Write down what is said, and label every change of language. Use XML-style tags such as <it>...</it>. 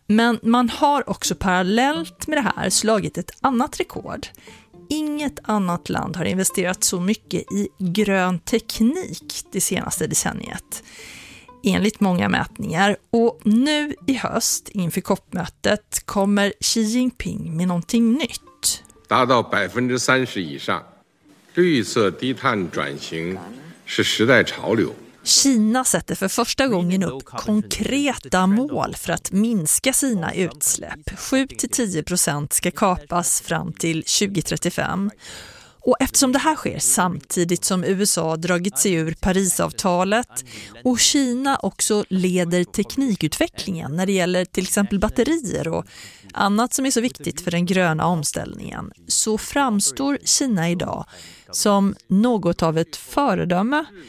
<sv>Men man har också parallellt med det här slagit ett annat rekord. Inget annat land har investerat så mycket i grön teknik det senaste decenniet. enligt många mätningar. Och nu i höst inför COP-mötet kommer Xi Jinping med någonting nytt.</sv> <zh>达到 30% 以上, 绿色低碳转型 是时代潮流.</zh> <sv>Kina sätter för första gången upp konkreta mål för att minska sina utsläpp. 7-10% ska kapas fram till 2035. Och eftersom det här sker samtidigt som USA dragit sig ur Parisavtalet och Kina också leder teknikutvecklingen när det gäller till exempel batterier och annat som är så viktigt för den gröna omställningen, så framstår Kina idag som något av ett föredöme.</sv>